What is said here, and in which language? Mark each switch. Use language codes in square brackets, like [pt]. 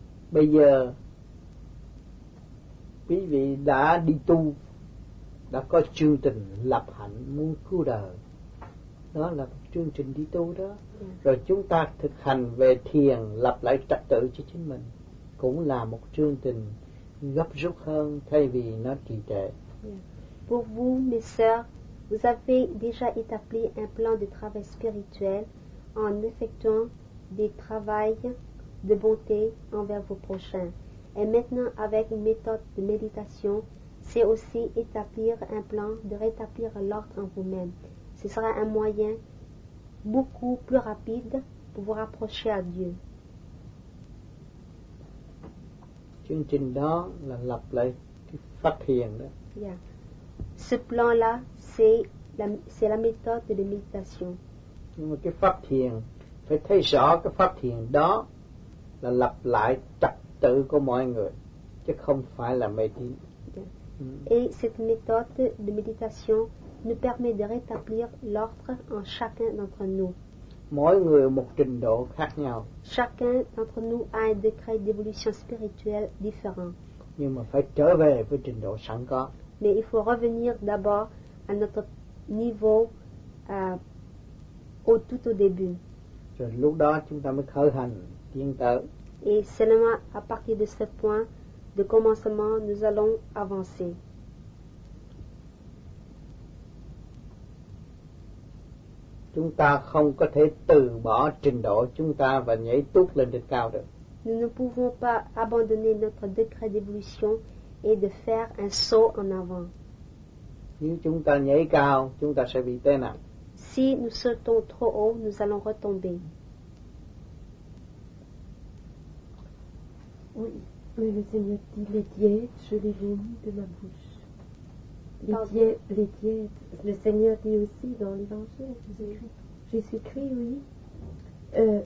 [vi] Bây giờ, quý vị đã đi tu, đã có chương trình lập hạnh muốn cứu đời. Đó là một chương trình đi tu đó. Rồi chúng ta thực hành về thiền, lập lại trật tự cho chính mình, cũng là một chương trình gấp rút hơn thay vì nó trì trệ. [fr] Pour vous, mes sœurs, vous avez déjà établi un plan de travail spirituel en effectuant des travaux de bonté envers vos prochains. Et maintenant, avec une méthode de méditation, c'est aussi établir un plan de rétablir l'ordre en vous-même. Ce sera un moyen beaucoup plus rapide pour vous rapprocher à Dieu. [vi] Chương trình đó là lập lại cái phát thiền đó. Yeah. [fr] Ce plan-là, c'est la méthode de méditation. [vi] Nhưng mà cái pháp thiền, phải thấy rõ cái pháp thiền đó là lập lại trật tự của mọi người, chứ không phải là mê tín. [fr] Et cette méthode de méditation nous permet de rétablir l'ordre en chacun d'entre nous. [vi] Mỗi người một trình độ khác nhau. [fr] Chacun d'entre nous a un degré d'évolution spirituelle différent. [vi] Nhưng mà phải trở về với trình độ sẵn có. [fr] Mais il faut revenir d'abord à notre niveau tout au début. [vi] Rồi lúc đó chúng ta mới khởi hành tiến tới. [fr] Et seulement à partir de ce point de commencement, nous allons avancer. [vi] Chúng ta không có thể từ bỏ trình độ chúng ta và nhảy tuốt lên đỉnh cao được. [fr] Nous ne pouvons pas abandonner notre degré d'évolution et de faire un saut en avant. [vi] Nếu chúng ta nhảy cao, chúng ta sẽ bị té nặng. [fr] Si nous sautons trop haut, nous allons retomber. Oui. Oui, le Seigneur dit, les diètes, je les vomis de ma bouche. Les diètes, le Seigneur dit aussi dans l'Évangile, Jésus-Christ, oui.